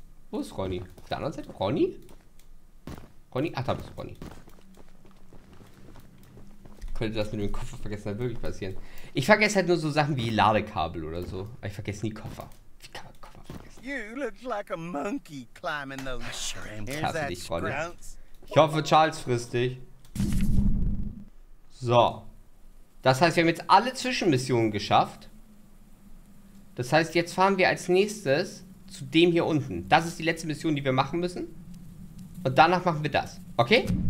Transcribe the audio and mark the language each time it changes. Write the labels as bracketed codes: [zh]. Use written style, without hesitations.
[de] Wo ist Ronny? Auf der anderen Seite? Ronny? Ronny? Ach, da bist du, Ronny. Könnte das mit dem Koffer vergessen halt wirklich passieren. Ich vergesse halt nur so Sachen wie Ladekabel oder so. Aber ich vergesse nie Koffer. Wie kann man Koffer vergessen? [en] You look like a monkey climbing those shrimps. [de] Ich hoffe, Charles frisst dich. So. Das heißt, wir haben jetzt alle Zwischenmissionen geschafft. Das heißt, jetzt fahren wir als nächstes zu dem hier unten. Das ist die letzte Mission, die wir machen müssen. Und danach machen wir das. Okay?